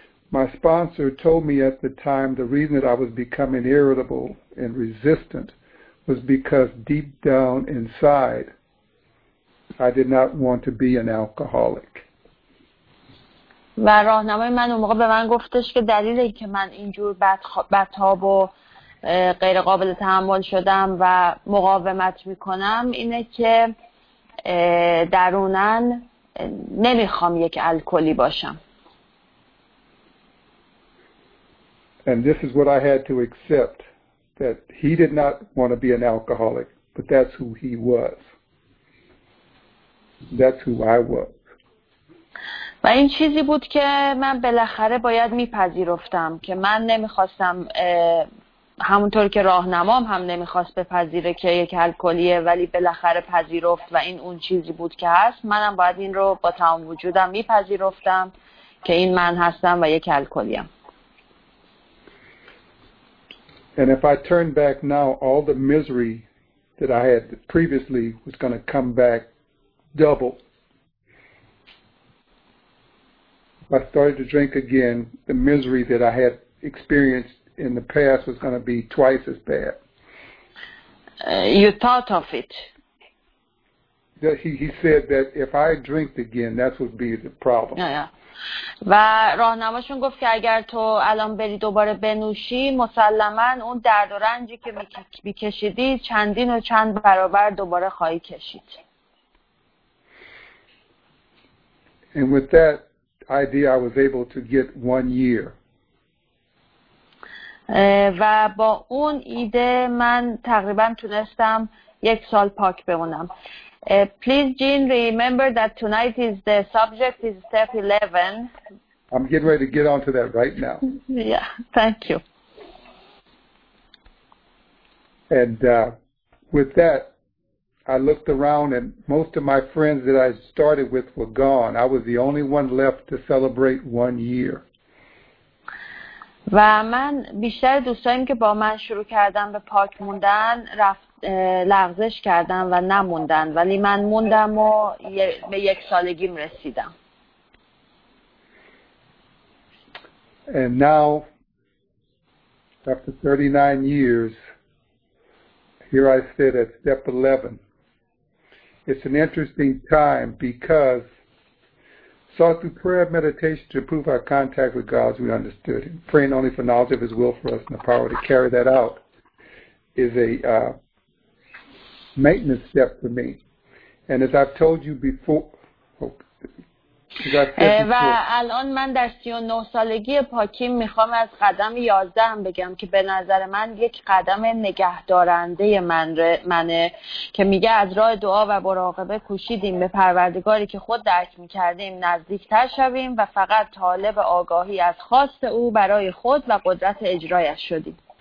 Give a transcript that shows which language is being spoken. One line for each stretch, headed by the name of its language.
English: My sponsor told me at the time the reason that I was becoming irritable and resistant was because deep down inside I did not want to be an alcoholic.
Persian: و راهنمای من اون موقع به من گفتش که دلیلی که من اینجور بدتاب و غیر قابل تحمل شدم و مقاومت میکنم اینه که درونن نمیخوام یک الکلی باشم.
English: And this is what I had to accept, that he did not want to be an alcoholic, but that's who he was. That's who I was.
Persian: و این چیزی بود که من بالاخره باید میپذیرفتم که من نمیخواستم، همونطور که راهنمام هم نمیخواست بپذیره که یک الکلیه، ولی بالاخره پذیرفت و این اون چیزی بود که هست. منم باید این رو با تمام وجودم میپذیرفتم که این من هستم و یک الکلیم.
English: And if I turned back now, all the misery that I had previously was going to come back double. If I started to drink again, the misery that I had experienced in the past was going to be twice as bad. You thought of it. He said that if I drink again, that would be the problem.
Persian: و راهنماشون گفت که اگر تو الان بری دوباره بنوشی، مسلماً اون درد و رنجی که می‌کشیدی چندین و چند برابر دوباره خواهی کشید.
English: And with that idea I was able to get 1 year.
Persian: و با اون ایده من تقریباً تونستم یک سال پاک بمونم.
English: Please, Jean, remember that tonight is the subject is step 11. I'm getting ready to get onto that right now. Yeah, thank you. And with that, I looked around and most of my friends that I started with were gone. I was the only one left to celebrate 1 year.
Persian: و من بیشتر دوستانم که با من شروع کردم به پاک موندن رفت لغزش کردم و نموندن، ولی من موندم و به یک سالگیم رسیدم.
English: And now after 39 years here I sit at step 11. It's an interesting time because so through prayer and meditation to improve our contact with God as we understood him, praying only for knowledge of his will for us and the power to carry that out is a maintenance step for me. And as I've told you before,
Persian: و الان من در 39 سالگی پاکیم میخوام از قدم 11 هم بگم که به نظر من یک قدم نگهدارنده منه که میگه از راه دعا و مراقبه کوشیدیم به پروردگاری که خود درک میکردیم نزدیکتر شویم و فقط طالب آگاهی از خواست او برای خود و قدرت اجرایش شدیم.